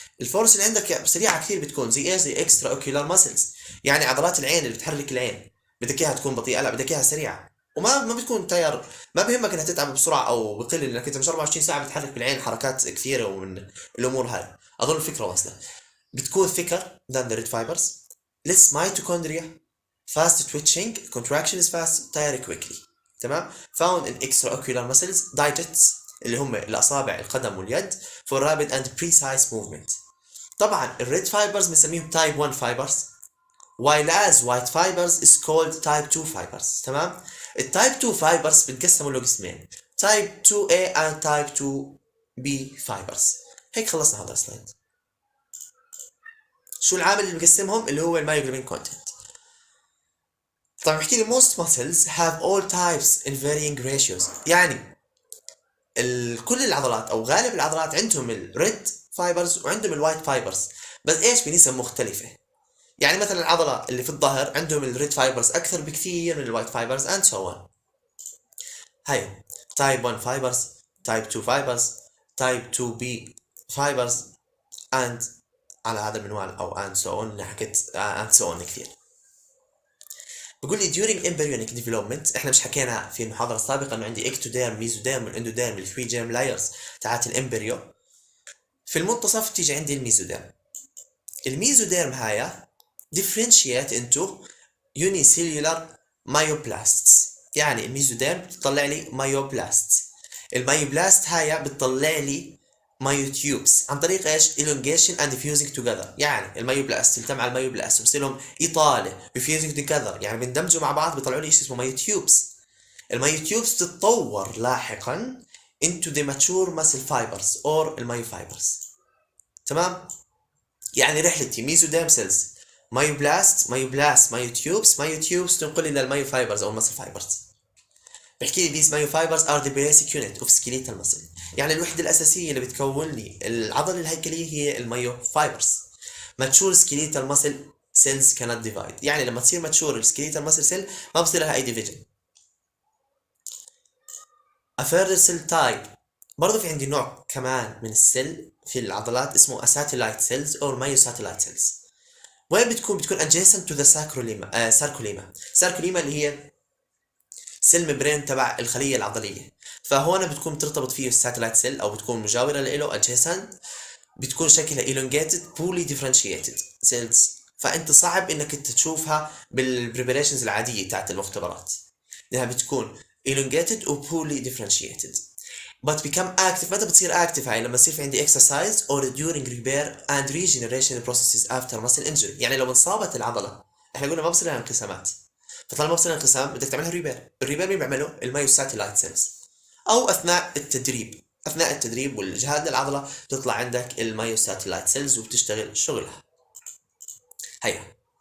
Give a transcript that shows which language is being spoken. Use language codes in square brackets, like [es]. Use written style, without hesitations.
[ar] الفورس اللي عندك سريعه كثير بتكون زي ايش؟ زي اكسترا اوكيولار ماسلز، يعني عضلات العين اللي بتحرك العين، بدك اياها تكون بطيئه، لا بدك اياها سريعه، وما ما بتكون تاير، ما بهمك انها تتعب بسرعه او بقل، لانك انت مش 24 ساعه بتحرك بالعين حركات كثيره ومن الامور هاي، اظن الفكره واصله. بتكون [en] thicker than the red fibers. Less mitochondria. Fast twitching. Contraction is fast. Tire quickly. [ar] تمام؟ [en] Found in extraocular muscles. Digits. [ar] اللي هم الأصابع القدم واليد. [en] For rapid and precise movement. [ar] طبعا ال [en] red fibers بنسميهم type 1 fibers. While as white fibers is called type 2 fibers. [ar] تمام؟ ال [en] type 2 fibers [ar] بتقسموا لقسمين. [en] Type 2A and type 2B fibers. [ar] هيك خلصنا هذا السلايد. شو العامل اللي مقسمهم؟ اللي هو الميوغلوبين كونتنت. طبعا بحكي لي [en] most muscles have all types in varying ratios، [ar] يعني كل العضلات او غالب العضلات عندهم الريد فايبرز وعندهم الوايت فايبرز، بس ايش؟ بنسب مختلفة. يعني مثلا العضلة اللي في الظهر عندهم الريد فايبرز اكثر بكثير من الوايت فايبرز [en] and so on. هاي type 1 fibers, type 2 fibers, type 2B fibers and [ar] على هذا المنوال او [en] and so on [ar] اللي حكيت [en] and so on كثير. [ar] بقول لي [en] during embryonic development، [ar] احنا مش حكينا في المحاضره السابقه انه عندي ectoderm ميزوديرم والاندوديرم الثري جيرم لايرز تاعت الامبريو. في المنتصف تيجي عندي الميزوديرم. الميزوديرم هاي [en] differentiate into unicellular myoplasts [ar] يعني الميزوديرم بتطلع لي مايوبلاست. المايوبلاست هاي بتطلع لي مايوتيوبس عن طريق ايش؟ الونجيشن اند فيوزنج توجذر. يعني المايوبلاست تلتم على المايوبلاست وبصيرلهم اطاله وفيوزنج توجذر، يعني بيندمجوا مع بعض بيطلعوا لي شيء اسمه مايوتيوبس. المايوتيوبس تتطور لاحقا [en] into the mature muscle fibers or المايوفايبرز. [ar] تمام؟ يعني رحلتي ميزوديرم سيلز، مايوبلاست، مايوبلاست، مايوتيوبس، مايوتيوبس تنقل الى المايوفايبرز او المسل فايبرز. بحكي لي [en] these myofibers are the basic unit of skeletal muscle. [ar] يعني الوحده الاساسيه اللي بتكون لي العضله الهيكليه هي المايوفايبرز. [en] mature skeletal muscle cells cannot divide. [ar] يعني لما تصير [en] mature skeletal muscle cell [ar] ما بصير لها اي [en] division. A further cell type. [ar] برضه في عندي نوع كمان من السل في العضلات اسمه اساتيلايت سيلز او مايو ساتيلايت سيلز. وين بتكون؟ بتكون [en] adjacent to the sarcolemma. sarcolemma. [ar] sarcolemma اللي هي سيل ميمبرين تبع الخلية العضلية. فهون بتكون ترتبط فيه الساتيلايت سيل او بتكون مجاورة له adjacent. بتكون شكلها [en] elongated poorly differentiated cells. [ar] فانت صعب انك تشوفها بالبريبريشنز العادية بتاعت المختبرات. لانها بتكون elongated و [en] poorly differentiated. But become active. [ar] متى بتصير [en] active [ar] هاي؟ لما يصير في عندي [en] exercise or during repair and regeneration processes after muscle injury. [ar] يعني لو انصابت العضلة، احنا قلنا ما بصير لها انقسامات. فطالما ما بصير لها انقسام بدك تعملها repair. الريبير مين بيعمله؟ الميوساتيلايت سيلز. او اثناء التدريب. اثناء التدريب والاجهاد للعضلة تطلع عندك الميوساتيلايت سيلز وبتشتغل شغلها. هيا.